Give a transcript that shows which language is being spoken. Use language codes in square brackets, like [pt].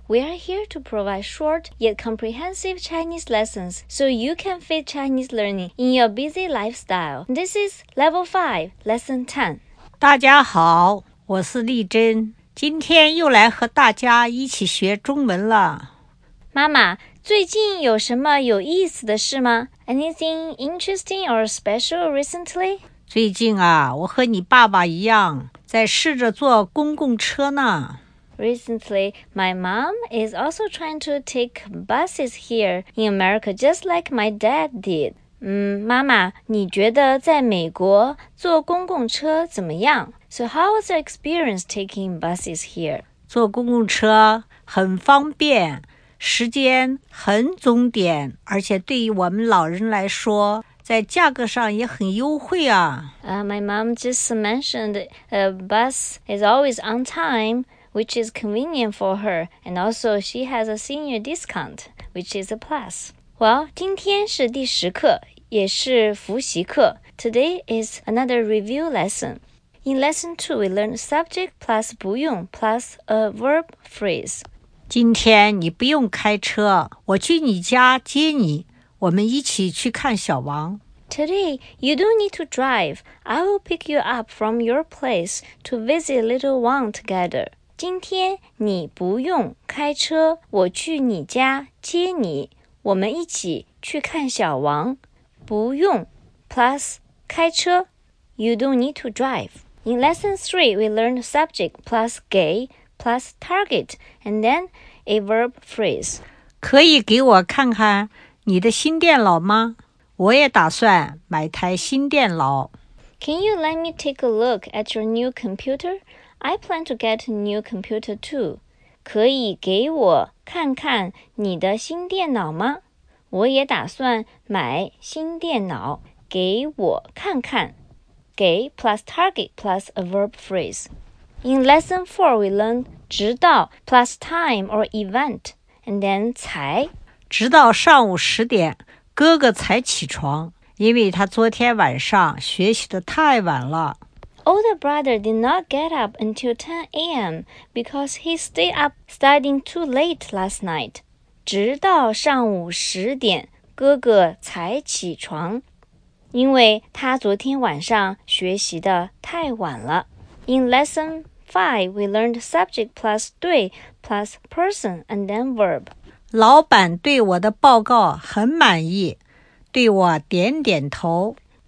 [en] We are here to provide short yet comprehensive Chinese lessons so you can fit Chinese learning in your busy lifestyle. This is Level 5, Lesson 10. [zh] 大家好，我是丽珍，今天又来和大家一起学中文了。妈妈，最近有什么有意思的事吗？ [en] Anything interesting or special recently? [zh] 最近啊，我和你爸爸一样，在试着坐公共车呢。 [en] Recently, my mom is also trying to take buses here in America, just like my dad did. [zh] 妈妈，你觉得在美国坐公共车怎么样？ [en] So how was your experience taking buses here? [zh] 坐公共车很方便，时间很总点，而且对于我们老人来说在价格上也很优惠啊。 [en] My mom just mentioned a bus is always on time, which is convenient for her. And also she has a senior discount, which is a plus. [zh] Well, 今天是第十课，也是复习课。 [en] Today is another review lesson. In lesson 2, we learned subject plus 不用 plus a verb phrase. [zh] 今天你不用开车，我去你家接你。我们一起去看小王。 [en] Today, you don't need to drive. I will pick you up from your place to visit little Wang together. [zh] 今天你不用开车，我去你家接你。我们一起去看小王。不用 plus 开车。 [en] You don't need to drive. In lesson 3, we learned subject plus 给 plus target and then a verb phrase. [zh] 可以给我看看你的新电脑吗？我也打算买台新电脑。 [en] Can you let me take a look at your new computer? I plan to get a new computer too. [zh] 可以给我看看你的新电脑吗？我也打算买新电脑。给我看看。 [en] 给 plus target plus a verb phrase. In lesson 4, we learn 直到 plus time or event, and then 才。 [zh] 直到上午十点，哥哥才起床，因为他昨天晚上学习的太晚了。 [en] Older brother did not get up until 10 a.m. because he stayed up studying too late last night. [zh] 直到上午十点，哥哥才起床，因为他昨天晚上学习的太晚了。 [en] In lesson 5, we learned subject plus 对 plus person and then verb. [zh] 老板对我的报告很满意，对我点点头。